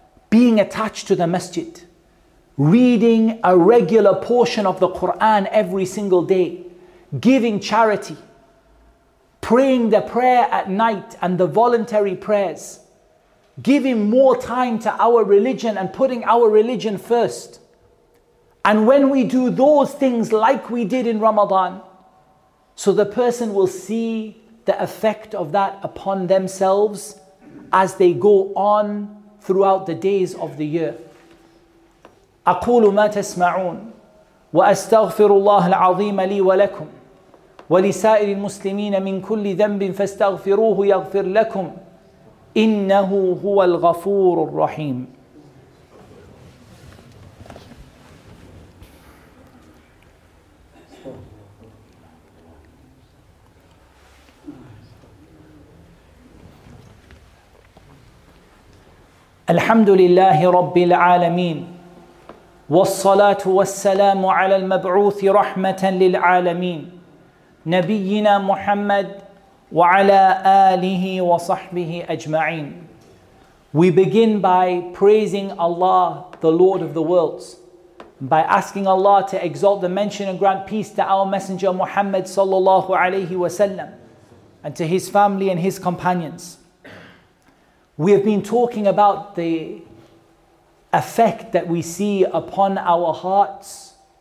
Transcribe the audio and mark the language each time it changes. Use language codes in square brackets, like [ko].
[en] Being attached to the masjid, reading a regular portion of the Quran every single day, giving charity, praying the prayer at night and the voluntary prayers, giving more time to our religion and putting our religion first. And when we do those things like we did in Ramadan, so the person will see the effect of that upon themselves as they go on throughout the days of the year. [ar] أقول ما تسمعون وأستغفر الله العظيم لي ولكم ولسائر المسلمين من كل ذنب فاستغفروه يغفر لكم إنه هو الغفور الرحيم. الحمد لله رب العالمين والصلاة والسلام على المبعوث رحمة للعالمين نبينا محمد وعلى آله وصحبه أجمعين. [en] We begin by praising Allah, the Lord of the worlds, by asking Allah to exalt the mention and grant peace to our Messenger Muhammad sallallahu alayhi wasallam, and to his family and his companions. We have been talking about the effect that we see upon our hearts